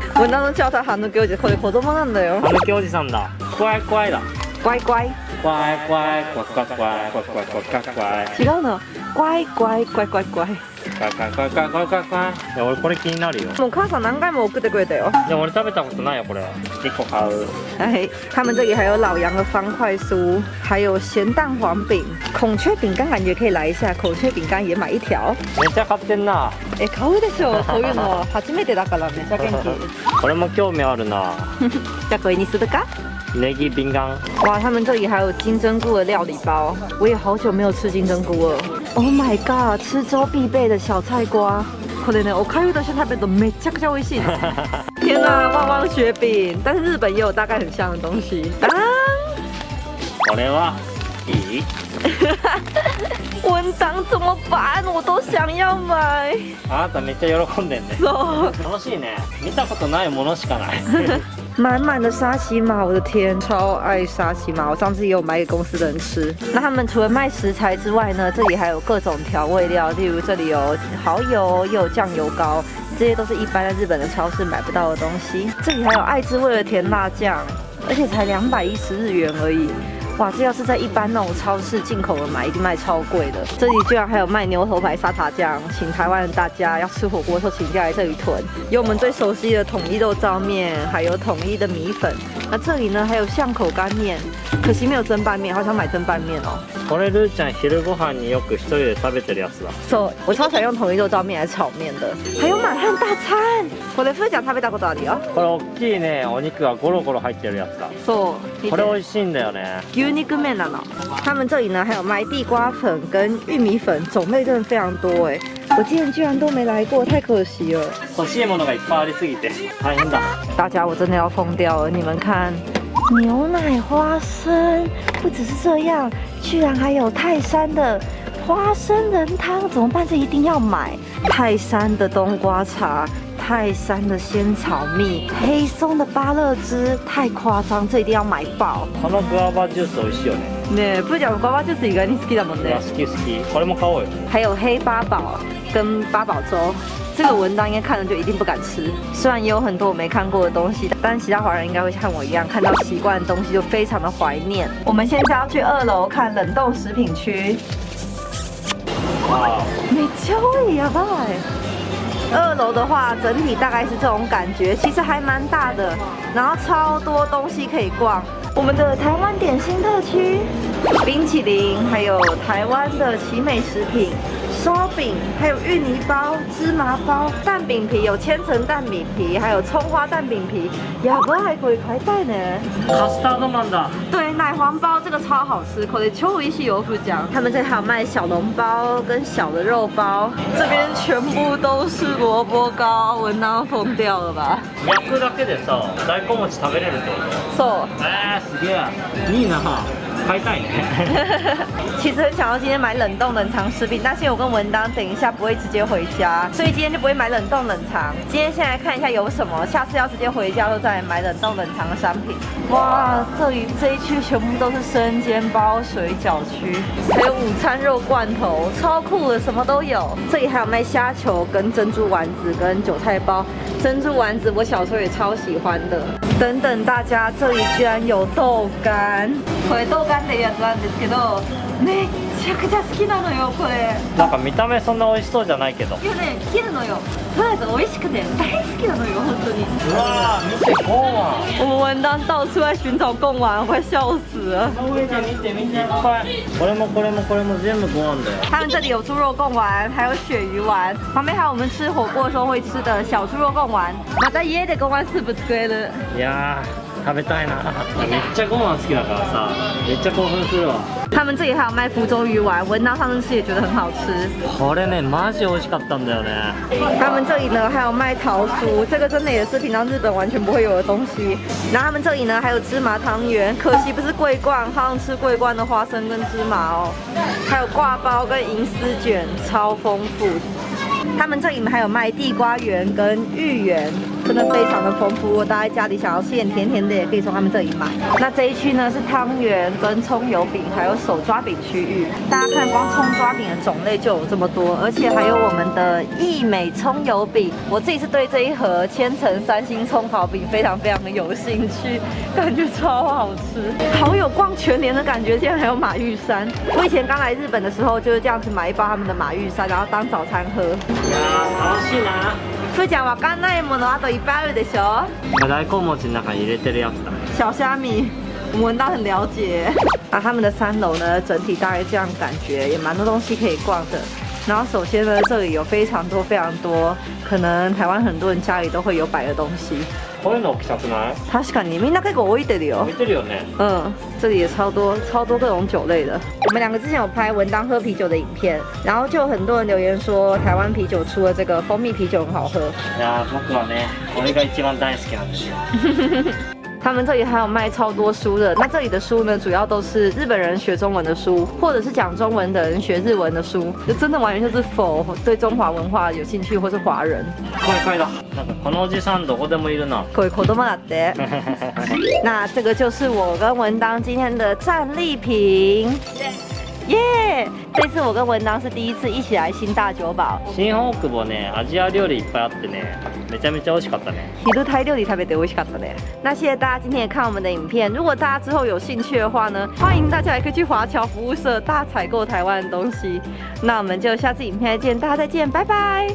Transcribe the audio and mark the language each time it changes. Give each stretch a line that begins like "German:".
Chinese: 我那叫他
Japanese: ハヌキおじさん、これ子供なんだよ。ハヌキおじさんだ。乖乖だ。
Chinese: 乖乖。乖乖乖乖乖乖乖乖乖。
Japanese: 違うの。乖乖乖乖乖。乖乖乖乖乖乖！哎，我これ気になるよ。もう母さん何回も送ってくれたよ。でも俺食べたことないよこれ。一個買う。
Chinese: 哎，他们这里还有老杨的方块酥，还有咸蛋黄饼、孔雀饼干，感觉可以来一下。孔雀饼干也买一条。
Japanese: めっちゃ買ってんな。え、買うでしょ。そういうの初めてだからめっちゃ元気。これも興味あるな。じゃあこれにするか。ネギ饼干。
Chinese: 哇，他们这里还有金针菇的料理包，我也好久没有吃金针菇了。
English: Oh my god，
Chinese: 吃粥必备的小菜瓜。
Japanese: これね、おかゆと一緒に食べるとめちゃくちゃ美味しい。
Chinese: 天哪、啊，旺旺雪饼，但是日本也有大概很像的东西。当，
Japanese: これはいい。
Chinese: 文章怎么办？我都想要买。
Japanese: あなためっちゃ喜んでんね。そう。楽しいね。見たことないものしかない。
Chinese: 满满的沙琪玛，我的天，超爱沙琪玛！我上次也有买给公司的人吃。那他们除了卖食材之外呢，这里还有各种调味料，例如这里有蚝油，又有酱油膏，这些都是一般在日本的超市买不到的东西。这里还有爱之味的甜辣酱，而且才210日元而已。哇，这要是在一般那种超市进口的买，一定卖超贵的。这里居然还有卖牛头牌沙茶酱，请台湾的大家要吃火锅的时候，请家来这里囤。有我们最熟悉的统一肉燥面，还有统一的米粉。那这里呢，还有巷口干面，可惜没有蒸拌面，好想买蒸拌面哦。
Japanese: これルーちゃん昼ご飯によく一人で食べてるやつだ。そう、
Chinese: 我超想用统一肉燥面来炒面的。还有满汉大餐。
Japanese: これフーちゃん食べたことあるよ。これ大きいね、お肉がゴロゴロ入ってるやつだ。そう。これ美味しいんだよね。牛肉面なの。
Chinese: 他们这里呢还有卖地瓜粉跟玉米粉，种类真的非常多哎。我今天居然都没来过，太可惜了。
Japanese: 欲しいものがいっぱいありすぎて大変だ。
Chinese: 大家我真的要疯掉了，你们看，牛奶花生，不只是这样。居然还有泰山的花生仁汤，怎么办？这一定要买。泰山的冬瓜茶，泰山的仙草蜜，黑松的芭乐汁，太夸张，这一定要买爆。
Japanese: このグアバジュース美味しいよね。ねえ、プーちゃんのグアバジュース意外に好きだもんね。好き好き。これも買おうよ。
Chinese: 还有黑八宝跟八宝粥。这个文章应该看了就一定不敢吃，虽然也有很多我没看过的东西，但其他华人应该会像我一样，看到习惯的东西就非常的怀念。我们现在要去二楼看冷冻食品区。哇，没错呀，拜。二楼的话，整体大概是这种感觉，其实还蛮大的，然后超多东西可以逛。我们的台湾点心特区，冰淇淋，还有台湾的奇美食品。烧饼，还有芋泥包、芝麻包、蛋饼皮，有千层蛋饼皮，还有葱花蛋饼皮，
Japanese: やばい、これ買いたいね。カスタードマンだ。
Chinese: 对，奶黄包这个超好吃，
Japanese: これ超美味しいよ、富ちゃん。
Chinese: 他们这里还有卖小笼包跟小的肉包，这边全部都是萝卜糕，我那疯掉了吧。
Japanese: 焼くだけでさ、大根餅食べれるってこと。そう。すげえ。いいな。買いたいね。
Chinese: 其实很想要今天买冷冻冷藏食品，但是我跟文当等一下不会直接回家，所以今天就不会买冷冻冷藏。今天先来看一下有什么，下次要直接回家就再来买冷冻冷藏的商品。哇，这里这一区全部都是生煎包、水饺区，还有午餐肉罐头，超酷的，什么都有。这里还有卖虾球、跟珍珠丸子、跟韭菜包。珍珠丸子我小时候也超喜欢的。等等，大家，这里居然有豆干。
Japanese: これ豆干ってやつなんですけど、めちゃくちゃ好きなのよこれ。なんか見た目そんな美味しそうじゃないけど。いやね、切るのよ。とりあえず美味しくて大好きなのよ本当に。うわあ、見て贡丸。
Chinese: 我们文当到处在寻找贡丸，快笑死了。
Japanese: 見て。これもこれもこれも全部贡丸だよ。
Chinese: 他们这里有猪肉贡丸，还有鳕鱼丸，旁边还有我们吃火锅的时候会吃的小猪肉贡丸。
Japanese: また家で贡丸スープ作れる。いや。食べたいな。めっちゃご飯好きだからさ、めっちゃ興奮するわ。
Chinese: 他们这里还有卖福州鱼丸，文章上次也觉得很好吃。
Japanese: これね、マジ美味しかったんだよね。
Chinese: 他们这里呢还有卖桃酥，这个真的也是平常日本完全不会有的东西。然后他们这里呢还有芝麻汤圆，可惜不是桂冠，好想吃桂冠的花生跟芝麻哦。还有挂包跟银丝卷，超丰富。他们这里还有卖地瓜圆跟芋圆，真的非常的丰富。大家家里想要吃点甜甜的，也可以从他们这里买。那这一区呢是汤圆跟葱油饼，还有手抓饼区域。大家看，光葱抓饼的种类就有这么多，而且还有我们的益美葱油饼。我自己是对这一盒千层三星葱烤饼非常非常的有兴趣，感觉超好吃，好有逛全年的感觉。现在还有马玉山，我以前刚来日本的时候就是这样子买一包他们的马玉山，然后当早餐喝。
Japanese: いや楽しいな。ふーちゃんわかんないものあといっぱいあるでしょ。大根餅の中に入れてるやつだ。
Chinese: 小虾米，我们倒很了解。啊，他们的三楼呢，整体大概这样感觉，也蛮多东西可以逛的。然后首先呢，这里有非常多非常多，可能台湾很多人家里都会有摆的东西。
Japanese: こういうの置きたくない？確かに、みんな結構置いてるよ。置いてるよね。
Chinese: 嗯，这里也超多超多各种酒类的。我们两个之前有拍文当喝啤酒的影片，然后就有很多人留言说台湾啤酒出了这个蜂蜜啤酒很好喝。
Japanese: いや、僕はね、これが一番大好きなんですよ。
Chinese: 他们这里还有卖超多书的，那这里的书呢，主要都是日本人学中文的书，或者是讲中文的人学日文的书，就真的完全就是否对中华文化有兴趣或是华人。快快的，可能是上どこでもいるな。
Japanese: これ子供だって。
Chinese: 那这个就是我跟文当今天的战利品。耶、yeah! ！这次我跟文当是第一次一起来新大久保。
Japanese: 新大久保呢，アジア料理いっぱいあってね、めちゃめちゃ美味しかったね。昼タイ料理食べて美味しかったね。
Chinese: 那谢谢大家今天看我们的影片。如果大家之后有兴趣的话呢，欢迎大家也可以去华侨服务社大采购台湾的东西。那我们就下次影片再见，大家再见，拜拜，